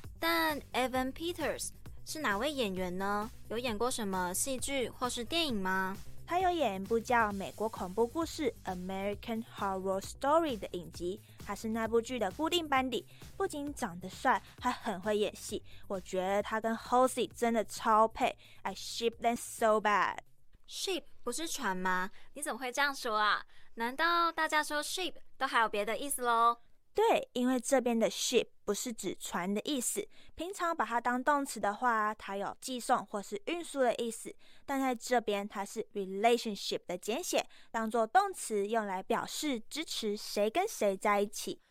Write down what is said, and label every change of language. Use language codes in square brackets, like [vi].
[zh] 但 Evan Peters 是哪位演员呢？有演过什么戏剧或是电影吗？他有演一部叫美国恐怖故事 American Horror Story 的影集，他是那部剧的固定班底，不仅长得帅还很会演戏。我觉得他跟 Halsey 真的超配， [en] I ship them so bad。 [zh] Ship 不是船吗？你怎么会这样说啊？难道大家说 ship 都还有别的意思咯？对，因为这边的 ship 不是指船的意思，平常把它当动词的话，它有寄送或是运输的意思，但在这边它是 relationship 的简写，当作动词用来表示支持谁跟谁在一起。